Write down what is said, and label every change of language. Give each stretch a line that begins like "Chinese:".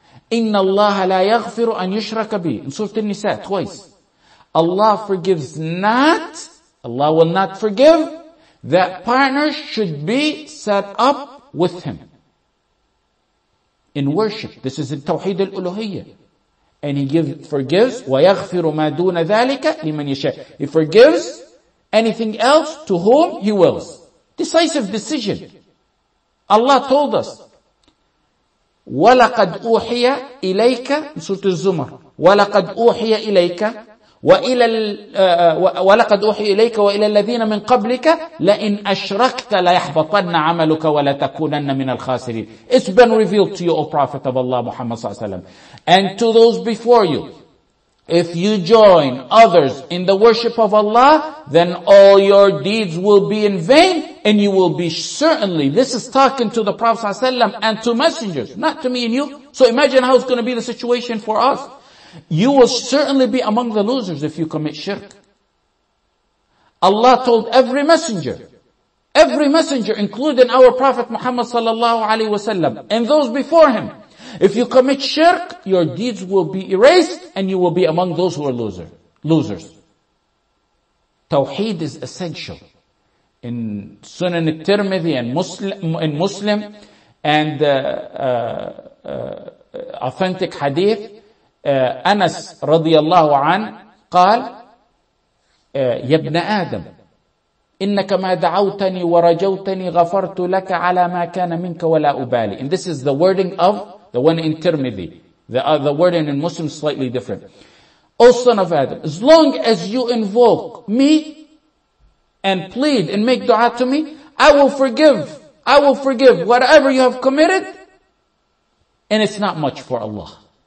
Arabic: Inna Allah la yaghfiru an yushraka bi.
English: In Surah An-Nisa, twice. Allah forgives not, Allah will not forgive, that partners should be set up with him. In worship, this is in Tawheed al-Uluhiyyah. And he forgives,
Arabic: وَيَغْفِرُ مَا دُونَ ذَٰلِكَ لِمَنْ يَشَاءُ.
English: He forgives anything else to whom he wills. Decisive decision. Allah told us,
Arabic: وَلَقَدْ أُوحِيَ إِلَيْكَ, Surah Az-Zumar, وَلَقَدْ أُوحِيَ إِلَيْكَ وَلَقَدْ أُوحِيَ إِلَيْكَ وَإِلَى الَّذِينَ مِنْ قَبْلِكَ لَإِنْ أَشْرَكْتَ لَيَحْبَطَنَّ عَمَلُكَ وَلَتَكُونَنَّ مِنَ الْخَاسِرِينَ.
English: It's been revealed to you, O Prophet of Allah Muhammad Sallallahu Alaihi Wasallam, and to those before you. If you join others in the worship of Allah, then all your deeds will be in vain, and you will be certainly, this is talking to the Prophet Sallallahu Alaihi Wasallam and to messengers, not to me and you. So imagine how it's going to be the situation for us. You will certainly be among the losers if you commit shirk. Allah told every messenger, including our Prophet Muhammad sallallahu alaihi wasallam, and those before him, if you commit shirk, your deeds will be erased and you will be among those who are losers. Tawheed is essential. In Sunan al-Tirmidhi and Muslim and authentic hadith,
Arabic: أنس رضي الله عنه قال يا ابن آدم إنك ما دعوتني ورجوتني غفرت لك على ما كان منك ولا أبالي.
English: And this is the wording of the one in Tirmidhi. The wording in Muslim is slightly different. O son of Adam, as long as you invoke me and plead and make dua to me, I will forgive whatever you have committed, and it's not much for Allah.